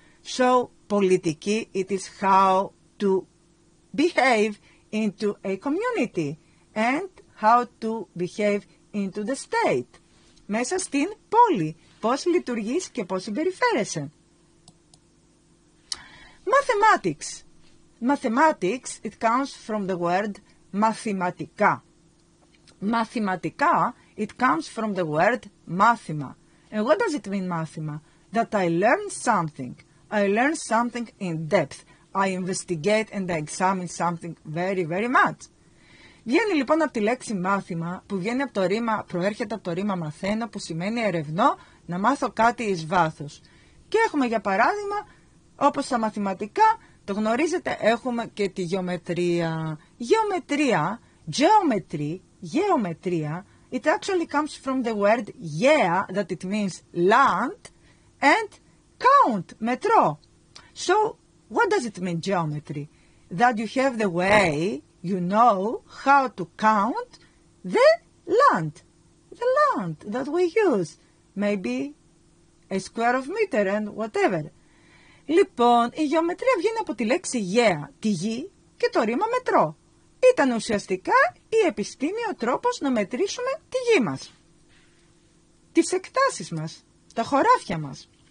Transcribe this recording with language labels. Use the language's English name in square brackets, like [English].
[English] So, πολιτική, it is how to behave into a community and how to behave into the state. [Greek] Μέσα στην πόλη, πώς λειτουργείς και πώς συμπεριφέρεσαι. [English] Mathematics. Mathematics, it comes from the word μαθηματικά. Μαθηματικά, it comes from the word μάθημα. And what does it mean, μάθημα? That I learn something. I learn something in depth. I investigate and I examine something very, very much. [Greek] Βγαίνει λοιπόν από τη λέξη μάθημα, που βγαίνει από το ρήμα, προέρχεται από το ρήμα μαθαίνω, που σημαίνει ερευνώ, να μάθω κάτι εις βάθος. Και έχουμε για παράδειγμα, όπως στα μαθηματικά, το γνωρίζετε, έχουμε και τη γεωμετρία. [English] Γεωμετρία, geometry, γεωμετρία, it actually comes from the word γεα, that it means land, and count, μετρό. So, what does it mean, geometry? That you have the way, you know, how to count the land. The land that we use. Maybe a square of meter and whatever. [Greek] Λοιπόν, η γεωμετρία βγαίνει από τη λέξη γεα, τη γη, και το ρήμα μετρό. Ήταν ουσιαστικά η επιστήμη ο τρόπος να μετρήσουμε τη γη μας, τις εκτάσεις μας, τα χωράφια μας.